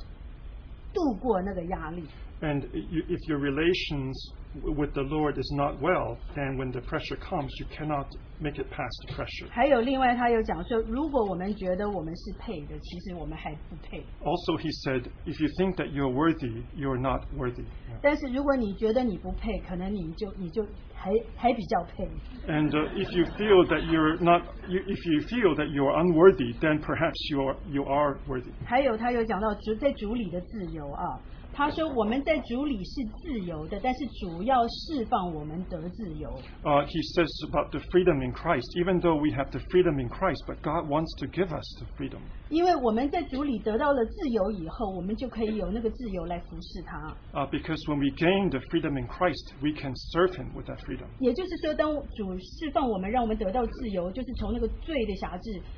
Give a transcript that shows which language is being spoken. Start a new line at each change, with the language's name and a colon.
Chinese: 那而且另外呢，如果我们与他的关系不亲的话，如果压力来的话呢，我们就没有办法度过那个压力。And
English: if your relations with the Lord is not well, then when the pressure comes, you cannot make it past the pressure.
Chinese: 还有另外他有讲说，如果我们觉得我们是配的，其实我们还不配。Also,
English: he said, if you think that you're worthy, you're not worthy. Yeah.
Chinese: 但是如果你觉得你不配，可能你就还比较配。And
English: if you feel that you're unworthy, then perhaps you are worthy.
Chinese: 还有他有讲到在主里的自由啊。他说我们在主里是自由的，但是主要释放我们得自由。He
English: says about the freedom in Christ. Even though we have the freedom in Christ, but God wants to give us the freedom.
Chinese: 因为我们在主里得到了自由以后，我们就可以有那个自由来服侍他。Because
English: when we gain the freedom in Christ, we can serve him with that freedom.
Chinese: 也就是说，当主释放我们，让我们得到自由，就是从那个罪的辖制。